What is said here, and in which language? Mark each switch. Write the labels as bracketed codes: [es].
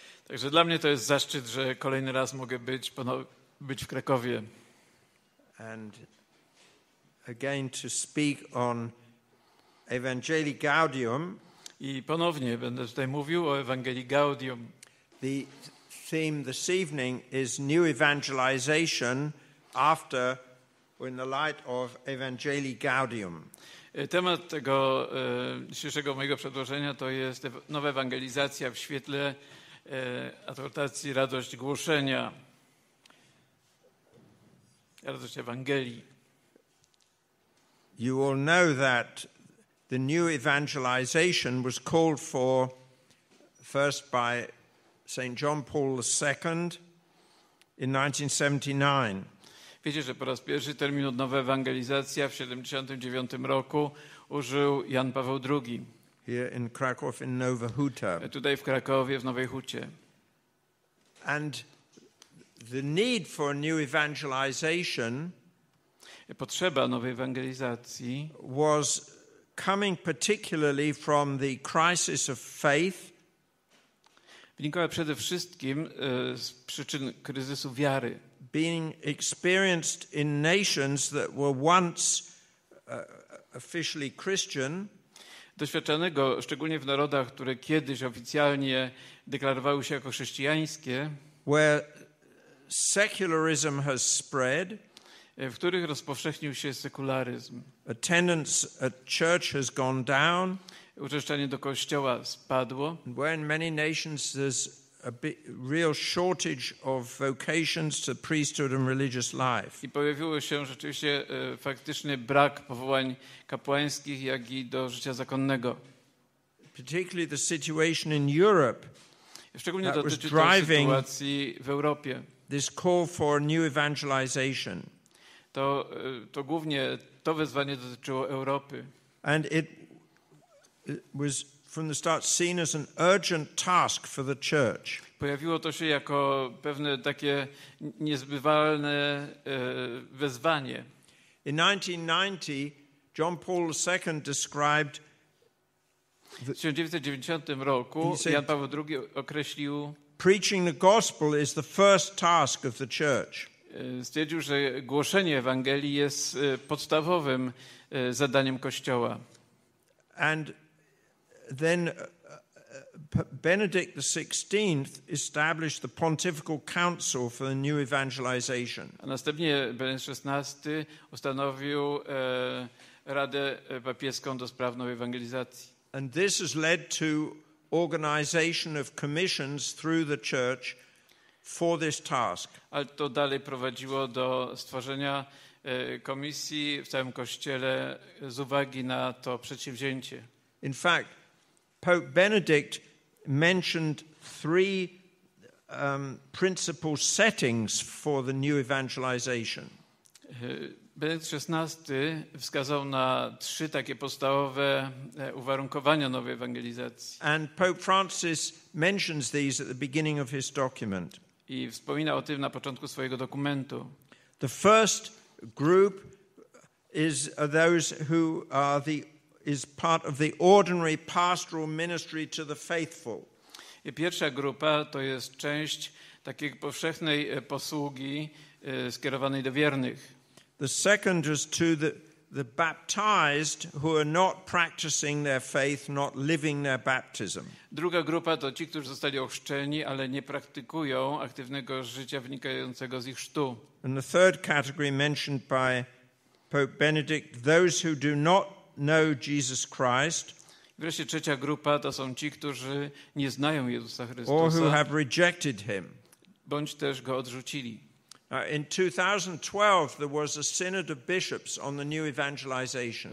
[pl] Także dla mnie to jest zaszczyt, że kolejny raz mogę być w Krakowie. [en] And again to speak on Evangelii Gaudium. [pl] I ponownie będę tutaj mówił o Ewangelii Gaudium. [en] The theme this evening is new evangelization after in the light of Evangelii Gaudium. [pl] Temat tego dzisiejszego mojego przedłożenia to jest nowa ewangelizacja w świetle adoracji radość głoszenia. Radość Ewangelii. [en] You all know that the new evangelization was called for first by St. John Paul II in 1979. [pl] Wiecie, że po raz pierwszy termin nowa ewangelizacja w 79 roku użył Jan Paweł II. [en] Here in Krakow in Nowa Huta. [pl] Tutaj w Krakowie w Nowej Hucie. [en] And the need for new evangelization, [pl] potrzeba nowej ewangelizacji, [en] was coming particularly from the crisis of faith, [pl] wynikała przede wszystkim z przyczyn kryzysu wiary, [en] being experienced in nations that were once officially Christian, [pl] doświadczanego szczególnie w narodach, które kiedyś oficjalnie deklarowały się jako chrześcijańskie, [en] where secularism has spread, [pl] w których rozpowszechnił się sekularyzm. [en] Attendance at church has gone down. [pl] Uczęszczanie do kościoła spadło. [en] Where in many nations there's a real shortage of vocations to priesthood and religious life. [pl] I pojawiło się rzeczywiście faktyczny brak powołań kapłańskich, jak i do życia zakonnego. [en] Particularly the situation in Europe. [pl] Szczególnie dotyczy to sytuacji w Europie. [en] This call for new evangelization. [pl] To głównie to wezwanie dotyczyło Europy. [en] And it was from the start seen as an urgent task for the church. [pl] Pojawiło to się jako pewne takie niezbywalne wezwanie. [en] In 1990, John Paul II described. [pl] W 1990 roku Jan Paweł II określił. [en] Preaching the gospel is the first task of the church. [pl] Stwierdził, że głoszenie Ewangelii jest podstawowym zadaniem Kościoła. [en] And then Benedict XVI established the Pontifical Council for the New Evangelization. [pl] A następnie Benedykt XVI ustanowił Radę Papieską do spraw nowej ewangelizacji. [en] And this has led to organization of commissions through the church for this task. [pl] Ale to dalej prowadziło do stworzenia komisji w całym kościele z uwagi na to przedsięwzięcie. [en] In fact, Pope Benedict mentioned three principal settings for the new evangelization. [pl] Benedykt XVI wskazał na trzy takie podstawowe uwarunkowania nowej ewangelizacji. [en] And Pope Francis mentions these at the beginning of his document. [pl] I wspomina o tym na początku swojego dokumentu. [en] The first group is those who are is part of the ordinary pastoral ministry to the faithful. [pl] I pierwsza grupa to jest część takiej powszechnej posługi skierowanej do wiernych. [en] The second is to the baptized who are not practicing their faith, not living their baptism. [pl] Druga grupa to ci, którzy zostali ochrzczeni, ale nie praktykują aktywnego życia wynikającego z ich chrztu. [en] And the third category mentioned by Pope Benedict, those who do not know Jesus Christ. [pl] Wreszcie trzecia grupa to są ci, którzy nie znają Jezusa Chrystusa. [en] Or who have rejected him. [pl] Bądź też go odrzucili. [en] In 2012 there was a synod of bishops on the new evangelization.